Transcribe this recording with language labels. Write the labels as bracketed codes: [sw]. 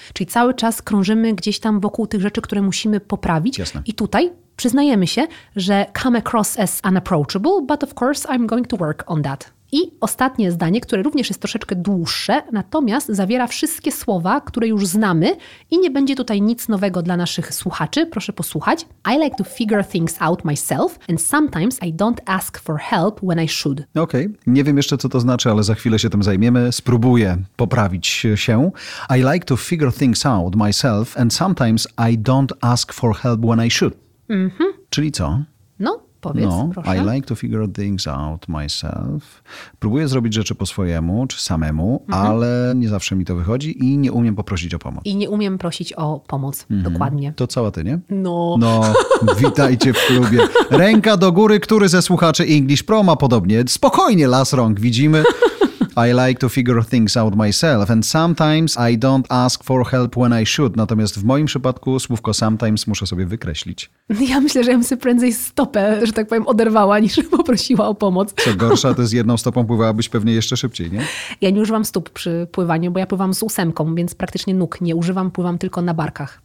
[pl] Czyli cały czas krążymy gdzieś tam wokół tych rzeczy, które musimy poprawić. Jasne. I tutaj przyznajemy się, że [en] come across as unapproachable, but of course I'm going to work on that. [pl] I ostatnie zdanie, które również jest troszeczkę dłuższe, natomiast zawiera wszystkie słowa, które już znamy i nie będzie tutaj nic nowego dla naszych słuchaczy. Proszę posłuchać. [en] I like to figure things out myself and sometimes I don't ask for help when I should. [pl] Okej, okay. Nie wiem jeszcze co to znaczy, ale za chwilę się tym zajmiemy. Spróbuję poprawić się. [en] I like to figure things out myself and sometimes I don't ask for help when I should. Mm-hmm. [pl] Czyli co? No, powiedz, no, proszę. [en] I like to figure things out myself. [pl] Próbuję zrobić rzeczy po swojemu, czy samemu, mm-hmm. ale nie zawsze mi to wychodzi i nie umiem poprosić o pomoc. I nie umiem prosić o pomoc, mm-hmm. dokładnie. To cała ty, nie? No. No, witajcie w klubie. Ręka do góry, który ze słuchaczy English Pro ma podobnie. Spokojnie, las rąk, widzimy. [en] I like to figure things out myself and sometimes I don't ask for help when I should. [pl] Natomiast w moim przypadku słówko sometimes muszę sobie wykreślić. Ja myślę, że ja bym sobie prędzej stopę, że tak powiem, oderwała, niż poprosiła o pomoc. Co gorsza, to z jedną stopą pływałabyś pewnie jeszcze szybciej, nie? Ja nie używam stóp przy pływaniu, bo ja pływam z ósemką, więc praktycznie nóg nie używam, pływam tylko na barkach.